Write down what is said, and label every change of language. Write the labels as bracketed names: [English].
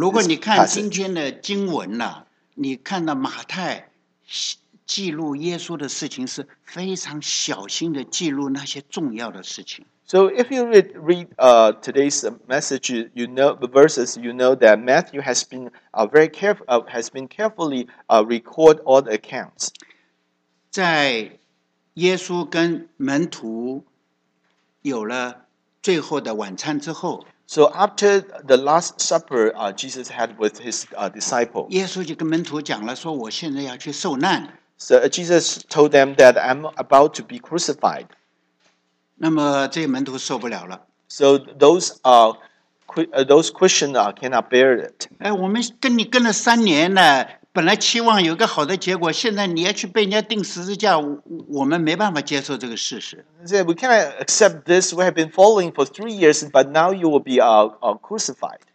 [Chinese] 如果你看今天的经文呢，你看到马太记录耶稣的事情是非常小心的记录那些重要的事情。 [English] So if you read today's message, you know the verses. You know that Matthew has been very careful, has been carefully record all the accounts. [Chinese] 在耶稣跟门徒有了最后的晚餐之后， [English] So after the last supper Jesus had with his disciple, [Chinese] 耶稣就跟门徒讲了说我现在要去受难。 [English] So Jesus told them that I'm about to be crucified. [Chinese] 那么这些门徒受不了了。 [English] So those Christians cannot bear it. [Chinese] 哎，我们跟你跟了三年了，本来期望有个好的结果，现在你要去被人家钉十字架，我们没办法接受这个事实。 [English] We cannot accept this. We have been following for 3 years, but now you will be crucified.